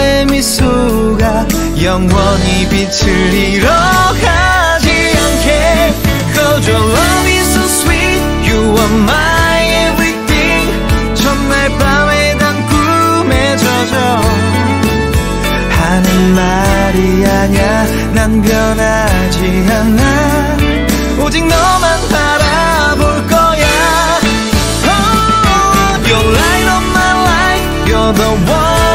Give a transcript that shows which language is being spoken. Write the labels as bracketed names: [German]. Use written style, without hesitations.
[Korean] 미소가 영원히 빛을 잃어가지 않게. [English] 'Cause your love is so sweet, you are my everything. [Korean] 첫날 밤에 난 꿈에 젖어 하는 말이 아냐, 난 변하지 않아. 오직 너만 바라볼 거야. [English] Oh, your light on my life, you're the one.